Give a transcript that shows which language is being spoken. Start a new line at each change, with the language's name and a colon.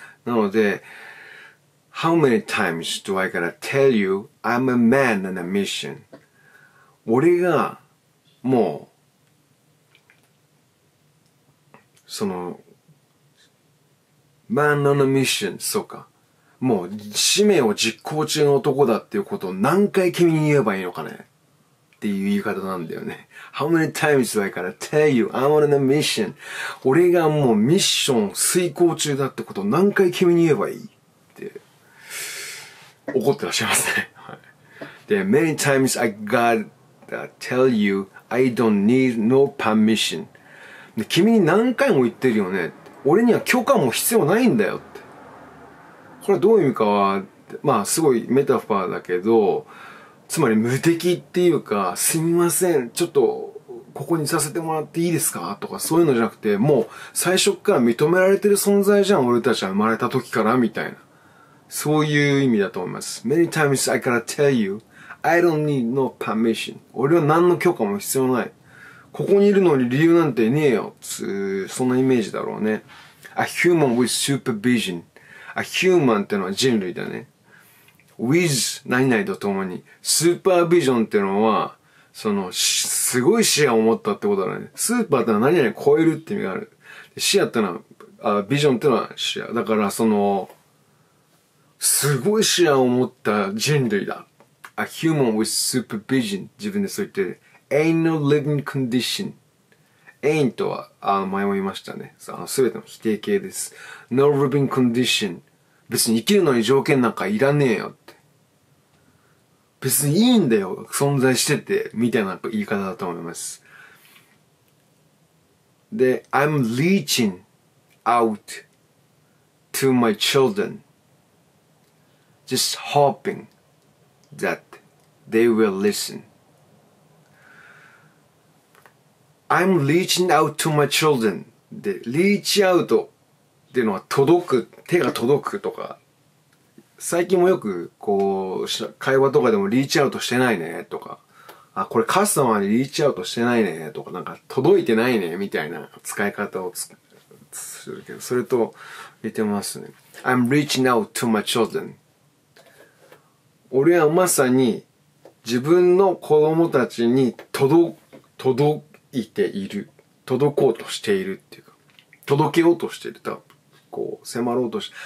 English: なので、How many times do I gotta tell you I'm a man on a mission?
Japanese: 俺が、もう、その、
English: Man on a mission,
Japanese: そうか。もう、使命を実行中の男だっていうことを何回君に言えばいいのかねっていう言い方なんだよね。
English: How many times do I gotta tell you I'm on a mission?
Japanese: 俺がもうミッション遂行中だってことを何回君に言えばいいって、怒ってらっしゃいますね。はい。
English: で、many times I gotta tell you I don't need no permission.
Japanese: で、君に何回も言ってるよね。俺には許可も必要ないんだよって。これどういう意味かは、まあすごいメタファーだけど、つまり無敵っていうか、すみません、ちょっとここにさせてもらっていいですかとかそういうのじゃなくて、もう最初から認められてる存在じゃん、俺たちは生まれた時からみたいな。そういう意味だと思います。
English: Many times I gotta tell you, I don't need no permission.
Japanese: 俺は何の許可も必要ない。ここにいるのに理由なんてねえよ。そんなイメージだろうね。
English: A human with supervision.
Japanese: A human ってのは人類だね。With 何々とともに。 Supervision ってのは、その、すごい視野を持ったってことだね。スーパーってのは何々超えるって意味がある。視野ってのは、ビジョンってのは視野。だからその、すごい視野を持った人類だ。
English: A human with supervision.
Japanese: 自分でそう言ってる。
English: Ain't no living condition.
Japanese: Ain't とは、前も言いましたね。すべての否定形です。No living condition. 別に生きるのに条件なんかいらねえよって。別にいいんだよ。存在してて。みたいな言い方だと思います。
English: で、I'm reaching out to my children. Just hoping that they will listen. I'm reaching out to my children.
Japanese: で、reach out っていうのは届く、手が届くとか。最近もよく、こう、会話とかでも reach out してないね、とか。あ、これカスタマーに reach out してないね、とか。なんか届いてないね、みたいな使い方をするけど。それと、似てますね。
English: I'm reaching out to my children.
Japanese: 俺はまさに、自分の子供たちに届く、いている。届こうとしているっていうか。届けようとしている。たぶん、こう、迫ろうとして。